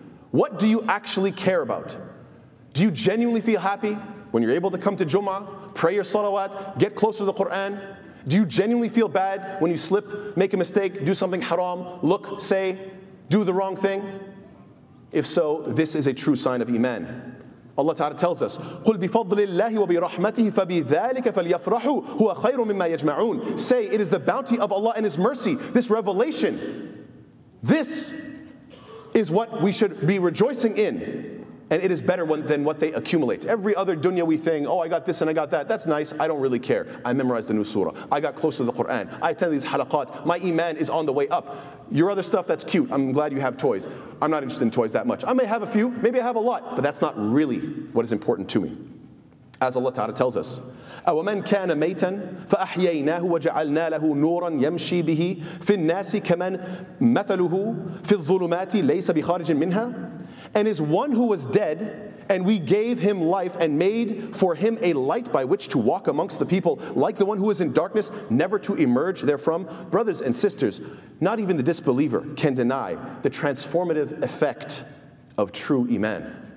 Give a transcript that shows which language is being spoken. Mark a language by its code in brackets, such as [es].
[en] What do you actually care about? Do you genuinely feel happy when you're able to come to Jummah, pray your salawat, get closer to the Qur'an? Do you genuinely feel bad when you slip, make a mistake, do something haram, look, say, do the wrong thing? If so, this is a true sign of iman. Allah Ta'ala tells us, [ar] قُلْ بِفَضْلِ اللَّهِ وَبِرَحْمَتِهِ فَبِذَلِكَ فَلْيَفْرَحُوا هُوَ خَيْرٌ مِمَّا يَجْمَعُونَ. [en] Say, it is the bounty of Allah and His mercy, this revelation, this is what we should be rejoicing in. And it is better than what they accumulate. Every other dunyawi thing, oh, I got this and I got that. That's nice. I don't really care. I memorized a new surah. I got close to the Quran. I attend these halaqat. My iman is on the way up. Your other stuff, that's cute. I'm glad you have toys. I'm not interested in toys that much. I may have a few. Maybe I have a lot. But that's not really what is important to me. As Allah Ta'ala tells us, [ar] أَوَمَنْ كَانَ مَيْتًا فَأَحْيَيْنَاهُ وَجَعَلْنَا لَهُ نُورًا يَمْشِي بِهِ فِي النَّاسِ كَمَنْ مَثَلُهُ فِي الظُّلُمَاتِ لَيْسَ بِخَارِجٍ مِنْهَا. [en] And is one who was dead, and we gave him life and made for him a light by which to walk amongst the people, like the one who is in darkness, never to emerge therefrom. Brothers and sisters, not even the disbeliever can deny the transformative effect of true iman.